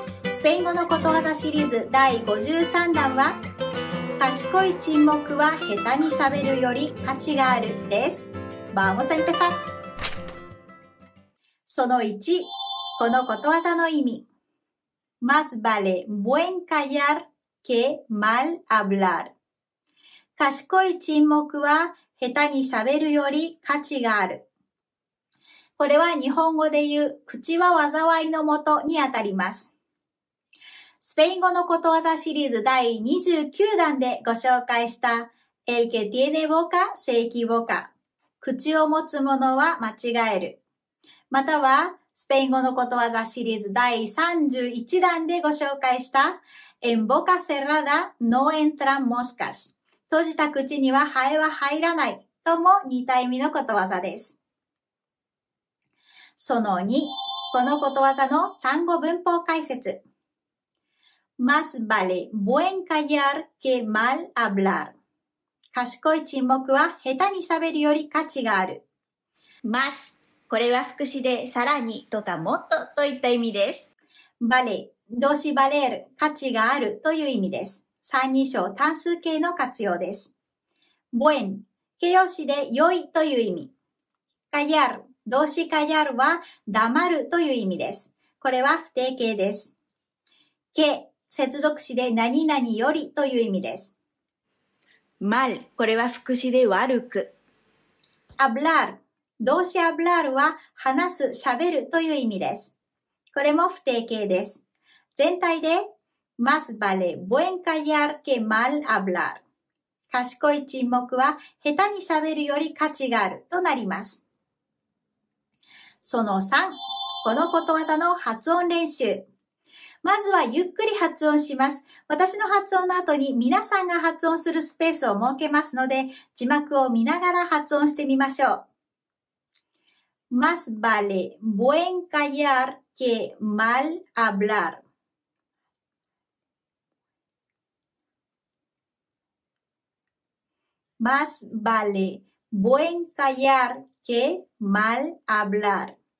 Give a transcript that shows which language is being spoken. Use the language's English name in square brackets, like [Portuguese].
[Japanese] スペイン語のことわざシリーズ第53弾は、賢い沈黙は下手に喋るより価値があるです。バーモセンペサ。その1、このことわざの意味。 [Spanish] Más vale buen callar que mal hablar。 [Japanese] 賢い沈黙は下手に喋るより価値がある。これは日本語で言う口は災いのもとにあたります。スペイン語のことわざシリーズ第29弾でご紹介した [Spanish] El que tiene boca se equivoca、 [Japanese] 口を持つ者は間違える、またはスペイン語のことわざシリーズ第31弾でご紹介した [Spanish] En boca cerrada no entran moscas、 [Japanese] 閉じた口にはハエは入らないとも似た意味のことわざです。その2、このことわざの単語文法解説。 [Spanish] Más vale buen callar que mal hablar。 [Japanese] 賢い沈黙は下手に喋るより価値がある。 Más、 これは副詞でさらにとかもっとといった意味です。 Vale、 動詞 valer、 価値があるという意味です。三人称単数形の活用です。Buen、 形容詞で良いという意味。 Callar、 動詞 callar は黙るという意味です。これは不定形です。Que、接続詞で何々よりという意味です。 mal、 これは副詞で悪く。hablar、 動詞 hablar は話す、喋るという意味です。これも不定形です。全体で [Spanish] más vale buen callar que mal hablar。 [Japanese] 賢い沈黙は下手に喋るより価値があるとなります。その3、このことわざの発音練習。まずはゆっくり発音します。私の発音の後に皆さんが発音するスペースを設けますので、字幕を見ながら発音してみましょう。 [Spanish] Más vale buen callar que mal hablar。 Más vale buen callar que mal hablar。